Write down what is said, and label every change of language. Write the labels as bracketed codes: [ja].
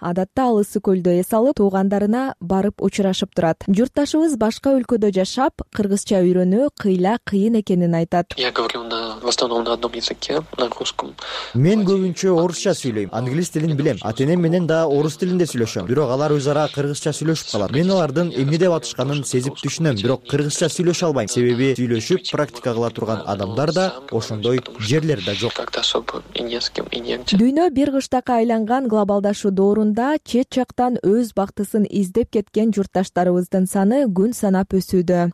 [ky] Адатта ал ысык көлдө эс алып, туугандарына барып учурашып турат. Журташыбыз башка өлкөдө жашап, кыргызча үйрөнүү кыйла кыйын экенин айтат. [ru] Я говорю на основном на одном языке, на русском. [ky] Мен көбүнчө орусча сүйлөйм, англис тилин билем. Атенем менен да орус тилинде сүйлөшөм. Бирок алар өз ара кыргызча сүйлөшүп калат. Мен алардын эмне деп атышканын сезип түшүнөм, бирок кыргызча сүйлөшө албайм. Себеби сүйлөшүп практика кыла турган адамдар да ошондой жерлерде жок. Дүйнө бир кыштакка айланган глобалдашуу доорунда чет жактан өз бактысын издеп кеткен журташтарыбыздын саны күн санап өсүүдө.